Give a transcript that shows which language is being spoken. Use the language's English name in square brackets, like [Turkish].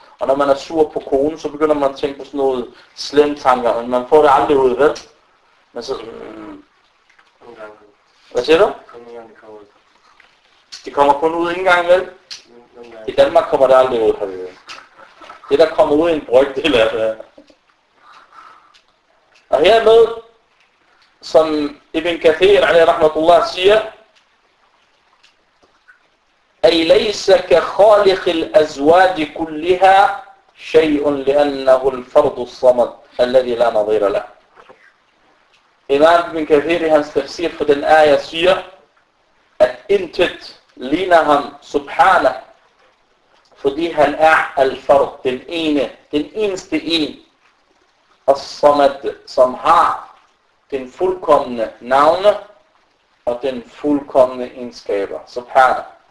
[Danish] Og når man er sur på konen, så begynder man at tænke på sådan noget slem tanker, men man får det aldrig ud, vel? Men så... Hvad siger du? Det kommer kun ud en gang, vel? I Danmark kommer der aldrig ud, har vi hørt. Det der kommer ud i en brygdel af det. Og hermed, som Ibn Kathir alaihi rahmatullah siger, [Arabic] أي ليس كخالق الأزواج كلها شيء لأنه الفرد الصمد الذي لا نظير له. إمام ابن كثير [Danish] hans [Arabic] تفسير في [Danish] den آية siger, at intet ligner ham subhana, fordi han er al-fard, den ene, den eneste en, al-samad, som har den fuldkomne navn og den fuldkomne egenskaber, subhana.